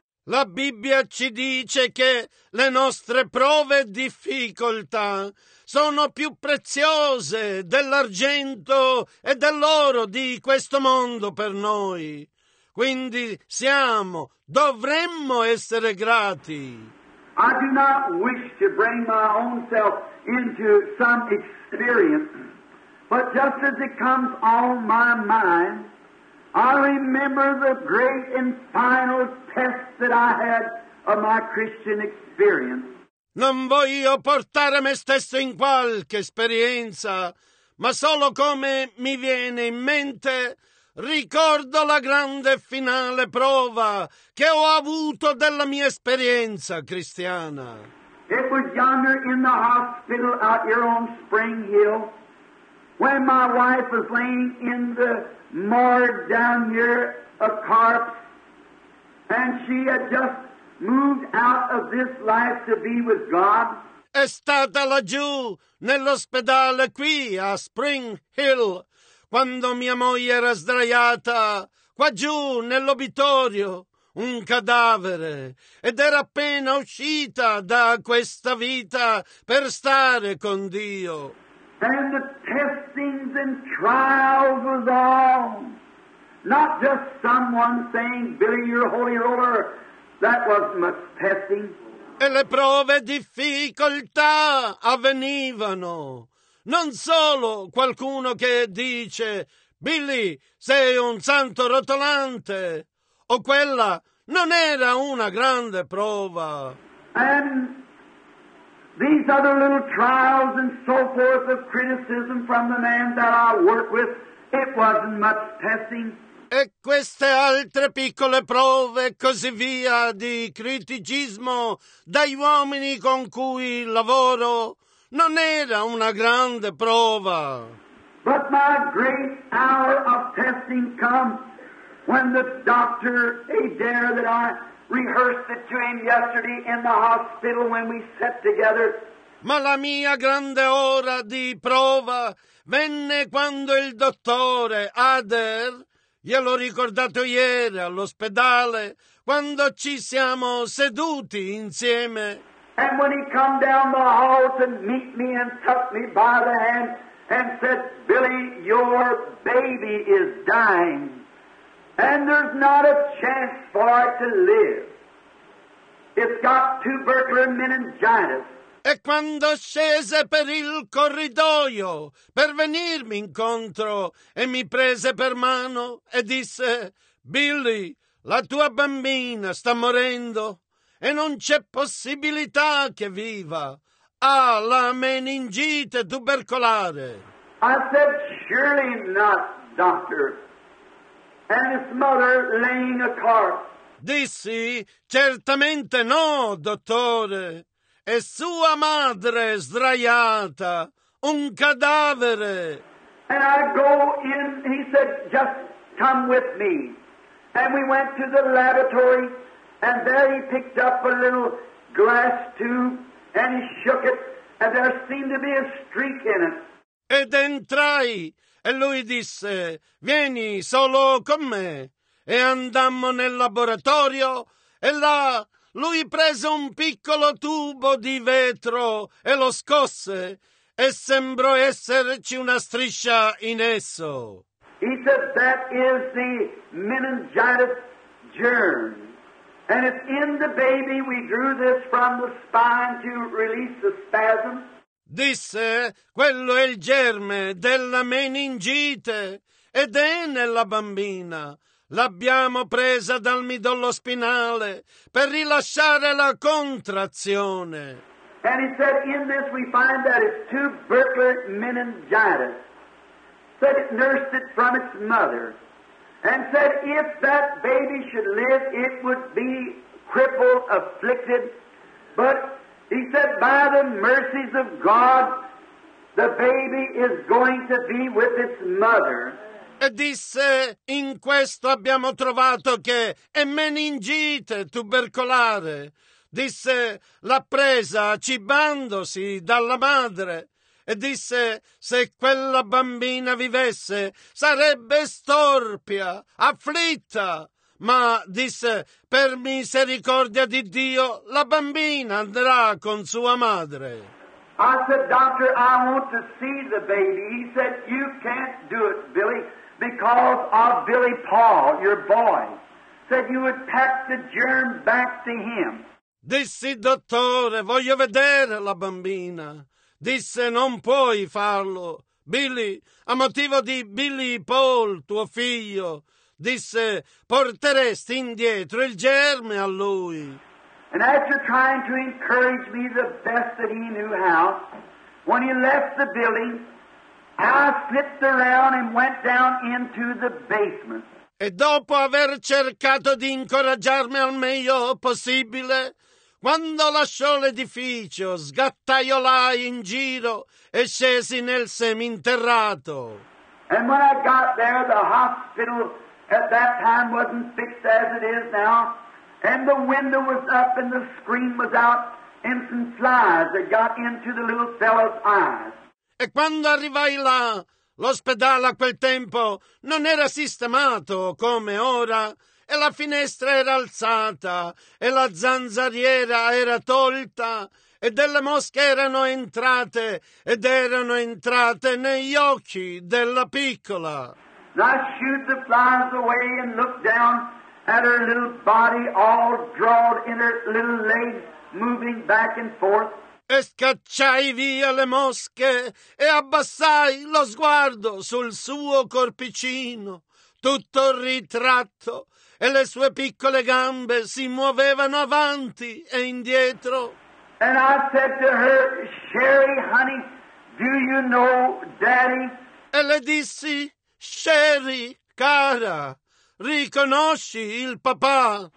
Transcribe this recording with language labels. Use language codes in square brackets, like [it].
[it] La Bibbia ci dice che le nostre prove e difficoltà sono più preziose dell'argento e dell'oro di questo mondo per noi. Quindi siamo, dovremmo essere grati. [en] I do not wish to bring my own self into some experience, but just as it comes on my mind, I remember the great and final test that I had of my Christian experience. [it] Non voglio portare me stesso in qualche esperienza, ma solo come mi viene in mente, ricordo la grande finale prova che ho avuto della mia esperienza cristiana. [en] It was yonder in the hospital out here on Spring Hill when my wife was laying in the morgue down here a corpse, and she had just moved out of this life to be with God. [it] È stata laggiù nell'ospedale qui a Spring Hill quando mia moglie era sdraiata qua giù nell'obitorio, un cadavere, ed era appena uscita da questa vita per stare con Dio. [en] And the testings and trials was on. Not just someone saying, "Billy, you're a holy roller." That was much testing. [it] E le prove e difficoltà avvenivano. Non solo qualcuno che dice: "Billy, sei un santo rotolante," o quella non era una grande prova. [en] And these other little trials and so forth of criticism from the man that I work with, it wasn't much testing. [it] E queste altre piccole prove e così via di criticismo dagli uomini con cui lavoro, non era una grande prova. [en] But my great hour of testing comes when the doctor Adair that I rehearsed it to him yesterday in the hospital when we sat together. [it] Ma la mia grande ora di prova venne quando il dottore Adair, gliel'ho ricordato ieri all'ospedale, quando ci siamo seduti insieme. [en] And when he come down the hall to meet me and took me by the hand and said, "Billy, your baby is dying, and there's not a chance for it to live. It's got tubercular meningitis." [it] E quando scese per il corridoio per venirmi incontro e mi prese per mano e disse: "Billy, la tua bambina sta morendo e non c'è possibilità che viva, ha la meningite tubercolare." [en] I said, "Surely not, doctor." And his mother laying a corpse. [it] Dissi: "Certamente no, dottore." e sua madre sdraiata, un cadavere. [en] And I go in, he said, just come with me. And we went to the laboratory, and there he picked up a little glass tube, and he shook it, and there seemed to be a streak in it. [it] Ed entrai, e lui disse, vieni solo con me. E andammo nel laboratorio, e là lui prese un piccolo tubo di vetro e lo scosse, e sembrò esserci una striscia in esso. [en] He said, that is the meningitis germ. And it's in the baby, we drew this from the spine to release the spasm. [it] Disse, quello è il germe della meningite, ed è nella bambina. L'abbiamo presa dal midollo spinale per rilasciare la contrazione. [en] And he said, in this we find that it's tubercular meningitis. Said it nursed it from its mother. And said if that baby should live, it would be crippled, afflicted. But he said, by the mercies of God, the baby is going to be with its mother. [it] E disse, in questo abbiamo trovato che è meningite tubercolare. Disse, l'ha presa cibandosi dalla madre. E disse, se quella bambina vivesse, sarebbe storpia, afflitta. Ma disse, per misericordia di Dio, la bambina andrà con sua madre. [en] I said, doctor, I want to see the baby. He said, you can't do it, Billy, because of Billy Paul, your boy. Said you would pack the germ back to him. [it] Dissi, dottore, voglio vedere la bambina. Disse, non puoi farlo, Billy, a motivo di Billy Paul, tuo figlio. Disse, porteresti indietro il germe a lui. [en] And after trying to encourage me the best that he knew how, when he left the building, I slipped around and went down into the basement. [it] E dopo aver cercato di incoraggiarmi al meglio possibile, quando lasciò l'edificio, sgattaiolai in giro e scesi nel seminterrato. [en] And when I got there, the hospital at that time wasn't fixed as it is now, and the window was up and the screen was out, and some flies that got into the little fellow's eyes. [it] E quando arrivai là, l'ospedale a quel tempo non era sistemato come ora, e la finestra era alzata, e la zanzariera era tolta, e delle mosche erano entrate, ed erano entrate negli occhi della piccola. [en] I shooed the flies away and looked down at her little body all drawn in her little legs moving back and forth. [it] E scacciai via le mosche e abbassai lo sguardo sul suo corpicino, tutto ritratto, e le sue piccole gambe si muovevano avanti e indietro. [en] And I said to her, Sherry, honey, do you know Daddy? [it] E le dissi, Sherry, cara, riconosci il papà?